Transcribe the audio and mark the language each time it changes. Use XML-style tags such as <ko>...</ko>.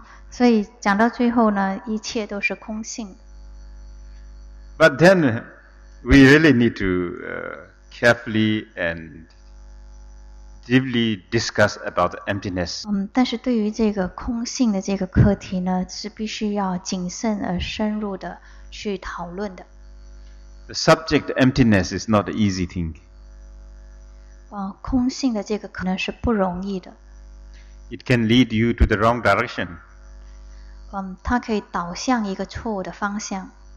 <zh>所以讲到最后呢，一切都是空性。</zh> <en>But then we really need to carefully and deeply discuss about emptiness.</en> <zh>但是对于这个空性的这个课题呢，是必须要谨慎而深入的去讨论的。</zh> <en>The subject emptiness is not an easy thing.</en> <zh>空性的这个可能是不容易的。</zh> <en>It can lead you to the wrong direction.</en> <zh>它可以导向一个错误的方向。</zh>